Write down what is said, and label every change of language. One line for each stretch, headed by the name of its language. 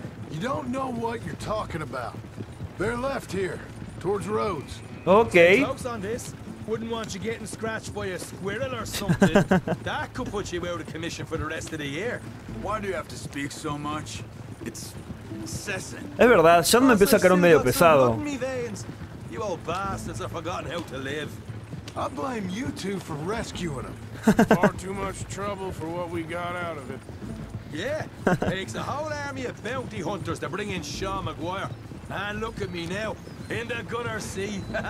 English: You don't know what you're talking about. They're left here, towards Rhodes. Okay. Jokes on this. Wouldn't want you getting scratched by a squirrel or something. That could put you out of commission for the rest of the year. Why do you have to speak so much? It's incessant.
Spanish: Es verdad, ya me empieza a caer un medio pesado.
English: You old bastards have forgotten how to live. I blame you two for rescuing him. Far too much trouble for what we got out of it. Yeah, takes a whole army of bounty hunters to bring in Sean McGuire. And look at me now, in the gunner seat.